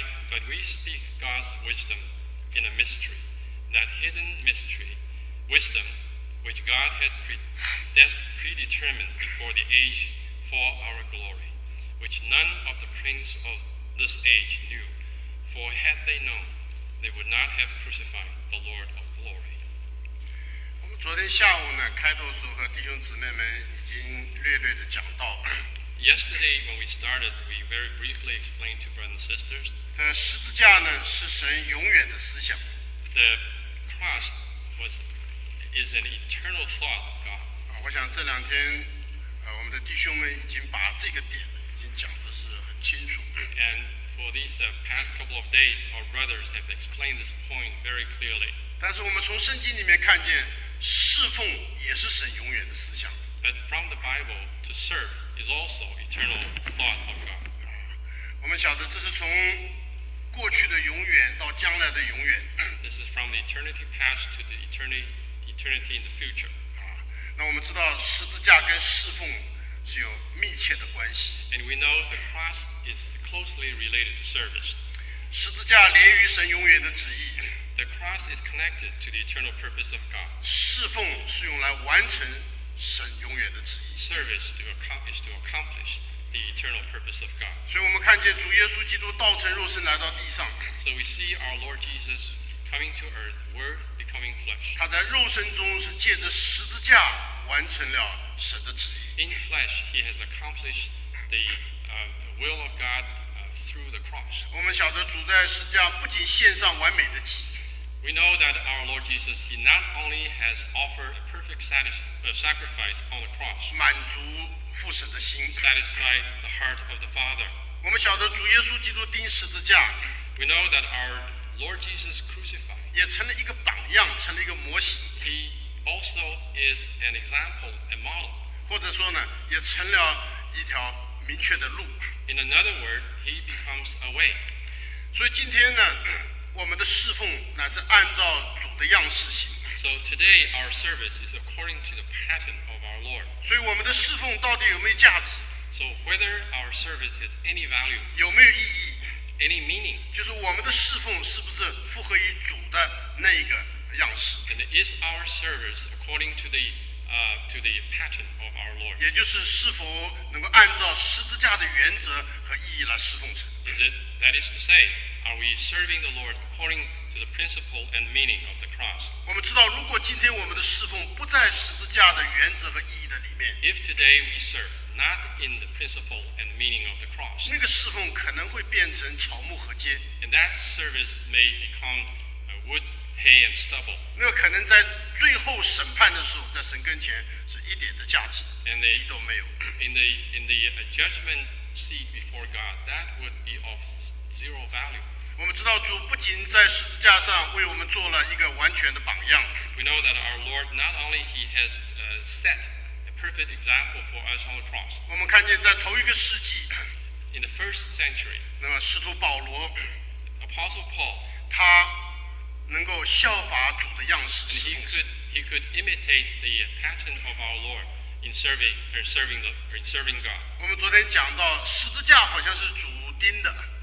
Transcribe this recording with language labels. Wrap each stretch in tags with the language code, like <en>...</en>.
<en>But we speak God's wisdom in a mystery, that hidden mystery, wisdom, which God had predetermined before the age for our glory, which none of the princes of this age knew. For had they known, they would not have crucified the Lord of glory.</en> <zh>我们昨天下午呢，开头时候和弟兄姊妹们已经略略地讲到了。</zh> <en>Yesterday, when we started, we very briefly explained to brothers and sisters.</en> <zh>这十字架呢，是神永远的思想。</zh> <en>The cross is an eternal thought of God.</en> <zh>我想这两天，我们的弟兄们已经把这个点已经讲的是很清楚。</zh> <en>And for these past couple of days, our brothers have explained this point very clearly.</en> <zh>但是我们从圣经里面看见，侍奉也是神永远的思想。</zh> <en>But from the Bible, to serve is also eternal thought of God.</en> <zh>我们晓得这是从过去的永远到将来的永远。</zh> <en>This is from the eternity past to the eternity in the future.</en> <zh>那我们知道十字架跟侍奉是有密切的关系。</zh> <en>And we know the cross is closely related to service.</en> <zh>十字架连于神永远的旨意。</zh> <en>The cross is connected to the eternal purpose of God.</en> <zh>侍奉是用来完成神永远的旨意。</zh> <en>Service to accomplish, the eternal purpose of God.</en> <zh>所以我们看见主耶稣基督道成肉身来到地上。</zh> <en>So we see our Lord Jesus coming to earth, Word becoming flesh.</en> <zh>他在肉身中是借着十字架完成了神的旨意。</zh> <en>In flesh, he has accomplished the, will of God, through the cross.</en> <zh>我们晓得主在十字架不仅献上完美的祭。</zh> <en>We know that our Lord Jesus, he not only has offered a perfect sacrifice on the cross,</en> <zh>满足父神的心。</zh> <en>Satisfy the heart of the Father.</en> <zh>我们晓得主耶稣基督钉十字架。</zh> <en>We know that our Lord Jesus crucified.</en> <zh>也成了一个榜样，成了一个模型。</zh> <en>He also is an example, a model.</en> <zh>或者说呢，也成了一条明确的路。</zh> <en>In another word, he becomes a way.</en> <zh>所以今天呢，我们的侍奉乃是按照主的样式行。</zh> <en>So today our service is according to the pattern of our Lord.</en> <zh>所以我们的侍奉到底有没有价值？</zh> <en>So whether our service has any value,</en> <zh>有没有意义？</zh> <en>Any meaning,</en> <zh>就是我们的侍奉是不是符合于主的那个样式？</zh> <en>And is our service according to the, pattern of our Lord?</en> <zh>也就是是否能够按照十字架的原则和意义来侍奉神？</zh> <en>Is it, that is to say, are we serving the Lord according to the principle and meaning of the cross?</en> <zh>我们知道，如果今天我们的侍奉不在十字架的原则和意义的里面，</zh> <en>If today we serve not in the principle and meaning of the cross,</en> <zh>那个侍奉可能会变成草木禾秸，</zh> <en>And that service may become a wood, hay, and stubble.</en> <zh>那个可能在最后审判的时候，在神跟前是一点的价值，</zh> <en>And the,</en> <zh>都没有。</zh> <en>In the judgment seat before God, that would be of zero value.</en> <zh>我们知道主不仅在十字架上为我们做了一个完全的榜样。</zh> <en>We know that our Lord not only he has set a perfect example for us on the cross.</en> <zh>我们看见在头一个世纪</zh> <en>，in the first century，</en> <zh>那么使徒保罗</zh> <en>，Apostle Paul，</en> <zh>他能够效法主的样式。</zh> <en>He could imitate the pattern of our Lord in serving God.</en> <zh>我们昨天讲到十字架好像是主钉的。</zh>